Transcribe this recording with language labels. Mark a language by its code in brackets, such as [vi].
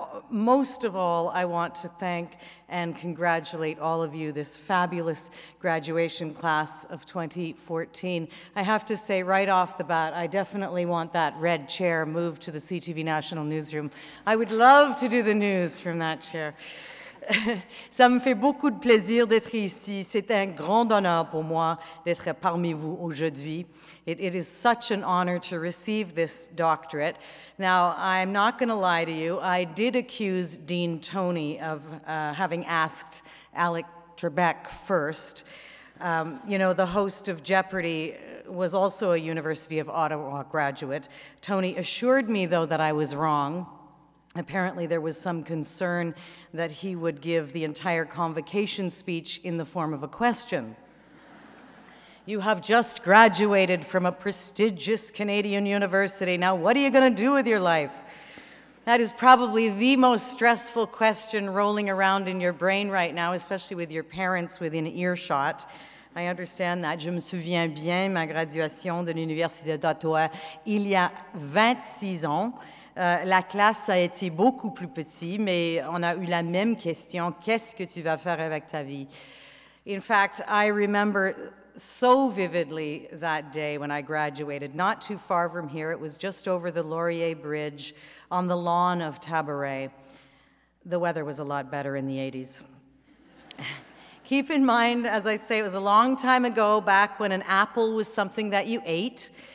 [en] Most of all, I want to thank and congratulate all of you, this fabulous graduation class of 2014. I have to say right off the bat, I definitely want that red chair moved to the CTV National Newsroom. I would love to do the news from that chair. [fr] Ça me fait beaucoup de plaisir d'être ici. C'est un grand honneur pour moi d'être parmi vous aujourd'hui. [en] It is such an honor to receive this doctorate. Now, I'm not going to lie to you. I did accuse Dean Tony of having asked Alec Trebek first. You know, the host of Jeopardy was also a University of Ottawa graduate. Tony assured me, though, that I was wrong. Apparently, there was some concern that he would give the entire convocation speech in the form of a question. You have just graduated from a prestigious Canadian university. Now, what are you going to do with your life? That is probably the most stressful question rolling around in your brain right now, especially with your parents within earshot. I understand that. [fr] Je me souviens bien ma graduation de l'Université d'Ottawa il y a 26 ans. La classe a été beaucoup plus petite, mais on a eu la même question, qu'est-ce que tu vas faire avec ta vie? [en] In fact, I remember so vividly that day when I graduated, not too far from here, it was just over the Laurier Bridge on the lawn of Tabaret. The weather was a lot better in the 80s. Keep in mind, as I say, it was a long time ago, back when an apple was something that you ate.